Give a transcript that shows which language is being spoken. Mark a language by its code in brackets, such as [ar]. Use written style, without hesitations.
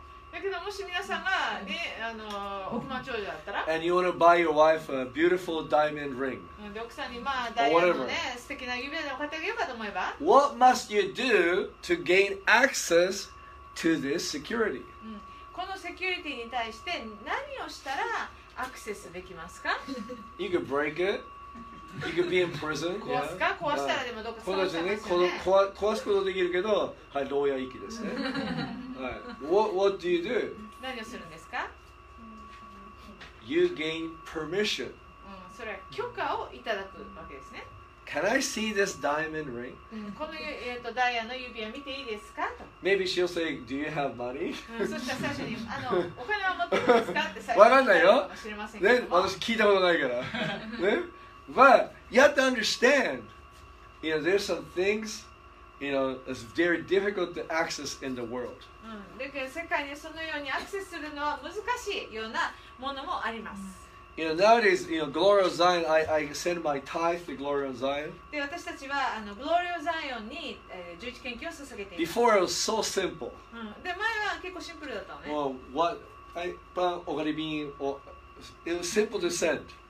[ja] だけどもし皆さんが、ね、億万長者だったら、 [en] and you want to buy your wife a beautiful diamond ring、 [ja] で奥さんにまあダイヤのね、whatever. 素敵な指輪を買ってあげようかと思えば、 [en] What must you do to gain access to this security?、 [ja] このセキュリティに対して何をしたらアクセスできますか？ [en] You could break it. You could be in prison. [ja] 壊すか？壊したらでもどこか住んでますよね。壊すことできるけど、はい、牢屋行きですね。 [en] はい。What do you do? [ja] 何をするんですか？ [en] You gain permission. [ja] それは許可をいただくわけですね。 [en] Can I see this diamond ring? [ja] このダイヤの指輪見ていいですか？と。 [en] Maybe she'll say, "Do you have money?" [ja] そしたら最初にお金は持ってますか？って最初に聞いたかもしれませんけども。ね、私聞いたことないから。 [en] ね、But you have to understand, you know, there's some things, you know, it's very difficult to access in the world. [ja] だけど世界にそのようにアクセスするのは難しいようなものもあります。 [en] You know, nowadays, you know, Glory of Zion, I send my tithe to Glory of Zion. Before, it was so simple. Well, what, I, but, お金瓶, it was simple to send.